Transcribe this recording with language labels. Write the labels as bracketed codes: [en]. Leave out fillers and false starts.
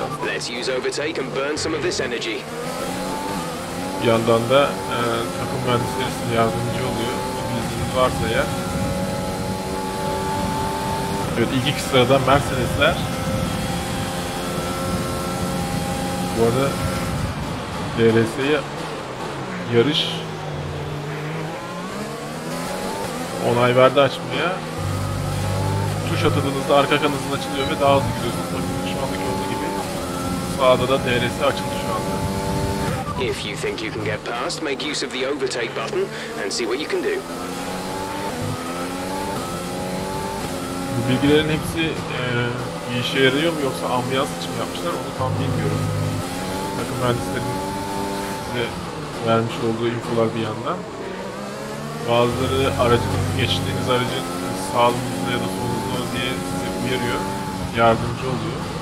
[en] Let's use overtake and burn some of this energy. [tr] Bir yandan da takım mühendisleri size yardımcı oluyor. İngilizce varsa ya. Evet, ilk iki sırada Mercedes'ler. Bu arada DRS'ye yarış onay verdi açmaya. Tuş atadığınızda arka kanadınız açılıyor ve daha hızlı gidiyorsunuz. Bakın şu andaki olduğu gibi. Sağda da DRS açıldı şu anda. [en] If you think you can get past, make use of the overtake button and see what you can do. [tr] Bu bilgilerin hepsi iyi işe yarıyor mu yoksa ambiyans için yapmışlar onu tam bilmiyorum. Takım mühendislerin size vermiş olduğu infolar bir yandan. Bazıları aracın, geçtiğiniz aracın sağınızda ya da solunuzda diye size uyarıyor, yardımcı oluyor.